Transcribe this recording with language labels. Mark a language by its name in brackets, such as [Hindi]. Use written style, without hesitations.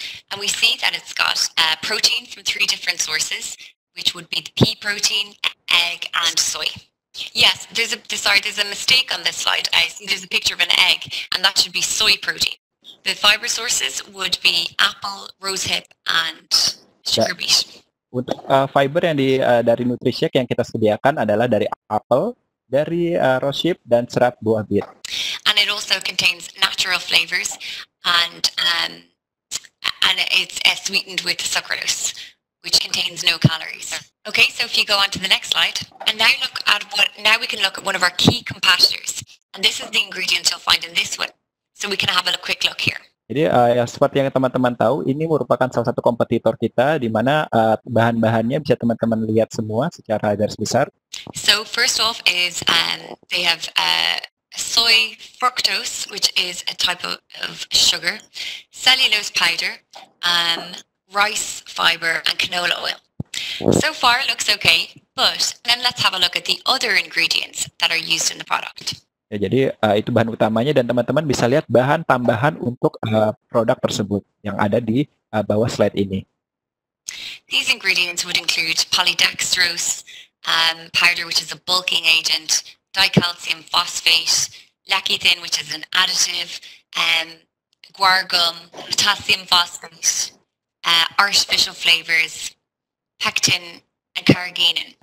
[English] And we see that it's got protein from three different sources, which would be the pea protein, egg, and soy. Yes, there's a mistake on this slide. I see there's a picture of an egg, and that should be soy protein. The fiber sources would be apple, rosehip, and sugar beet. [Indonesian] Untuk fiber yang dari Nutrishake yang kita sediakan adalah dari apple, dari rosehip, dan serat buah beet. [English] And it also contains natural flavors, and it's sweetened with sucralose, which contains no calories. Okay, so if you go on to the next slide, and now look at we can look at one of our key competitors, and this is the ingredients you'll find in this one. So we can have a quick look here. [Indonesian] Jadi seperti yang teman-teman tahu, ini merupakan salah satu kompetitor kita di mana bahan-bahannya bisa teman-teman lihat semua secara garis besar. [English] So first off is they have soy fructose, which is a type of sugar, cellulose powder, rice fiber and canola oil. So far it looks okay, but then let's have a look at the other ingredients that are used in the product. [Indonesian] Ya, jadi itu bahan utamanya dan teman-teman bisa lihat bahan tambahan untuk produk tersebut yang ada di bawah slide ini. [English] These ingredients would include polydextrose, powder which is a bulking agent, dicalcium phosphate, lecithin which is an additive, guar gum, potassium phosphate, artificial flavors, pectin and carrageenan.